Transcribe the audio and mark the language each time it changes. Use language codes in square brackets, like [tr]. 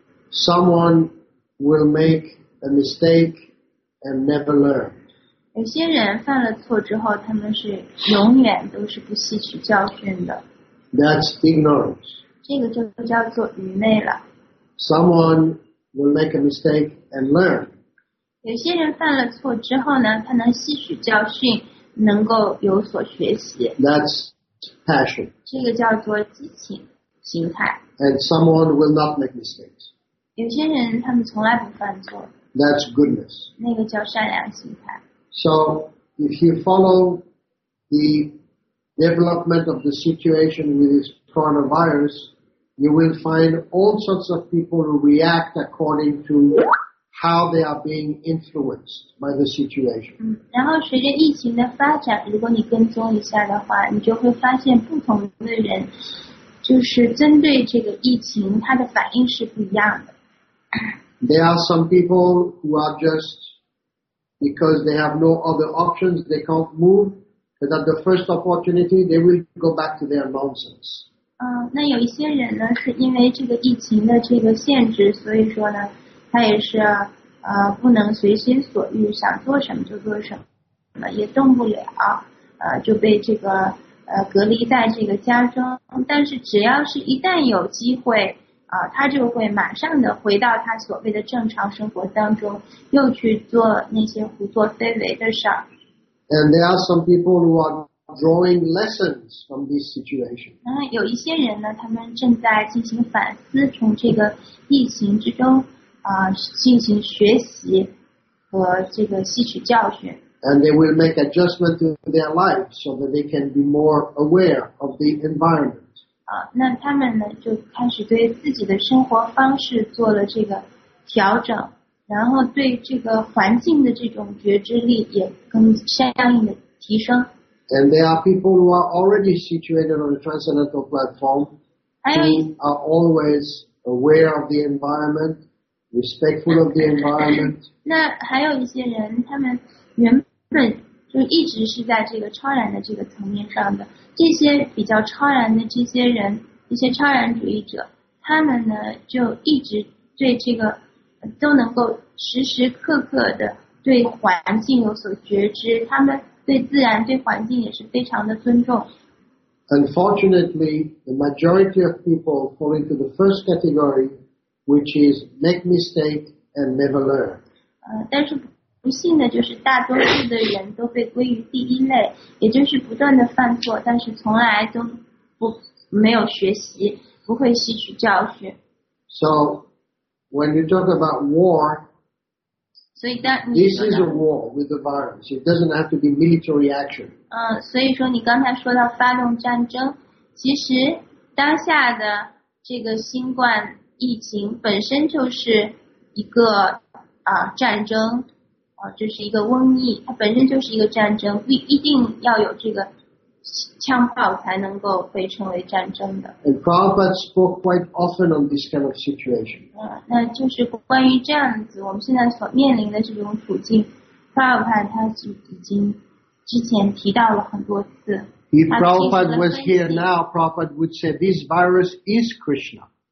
[en] Someone will make a mistake and never learn. [zh] 有些人犯了错之后，他们是永远都是不吸取教训的。 [en] That's ignorance. [zh] 这个就叫做愚昧了。 [en] Someone will make a mistake and learn. [zh] 有些人犯了错之后呢，他能吸取教训，能够有所学习。 [en] That's passion. [zh] 这个叫做激情形态。 [en] And someone will not make mistakes. [zh] 有些人他们从来不犯错。 [en] That's goodness. [zh] 那个叫善良形态。 [en] So, if you follow the development of the situation with this coronavirus, you will find all sorts of people who react according to how they are being influenced by the situation. [zh] 然后随着疫情的发展，如果你跟踪一下的话，你就会发现不同的人就是针对这个疫情，他的反应是不一样的。 [en] There are some people who are just because they have no other options, they can't move, but at the first opportunity, they will go back to their nonsense. [zh] 那有一些人呢，是因为这个疫情的这个限制，所以说呢，他也是不能随心所欲，想做什么就做什么，也动不了，就被这个隔离在这个家中。但是只要是一旦有机会。他就会马上的回到他所谓的正常生活当中，又去做那些胡作非为的事儿。 [en] And there are some people who are drawing lessons from this situation. [zh] 有一些人呢，他们正在进行反思，从这个疫情之中进行学习和这个吸取教训。 [en] And they will make adjustments to their lives so that they can be more aware of the environment. [zh] 那他们呢就开始对自己的生活方式做了这个调整，然后对这个环境的这种觉知力也更相应的提升。 [en] And there are people who are already situated on the transcendental platform who are always aware of the environment, respectful of the environment. [zh] 那还有一些人，他们原本就一直是在这个超然的这个层面上的。这些比较超然的这些人，一些超然主义者，他们呢就一直对这个都能够时时刻刻的对环境有所觉知，他们对自然、对环境也是非常的尊重。 [en] Unfortunately, the majority of people fall into the first category, which is make mistake and never learn. [zh] 但是不幸的就是大多数的人都被归于第一类，也就是不断的犯错，但是从来都不没有学习，不会吸取教训。 [en] So when you talk about war, so that this is a war with the virus. It doesn't have to be military action. [zh] 所以说你刚才说到发动战争，其实当下的这个新冠疫情本身就是一个战争。这是一个瘟疫，它本身就是一个战争，不一定要有这个枪炮才能够被称为战争的。 [en] And Prabhupada spoke quite often on this kind of situation. [zh] 那就是关于这样子，我们现在所面临的这种处境， Prabhupada 他是已经之前提到了很多次。 [en] If Prabhupada was here now, Prabhupada would say this virus is Krishna.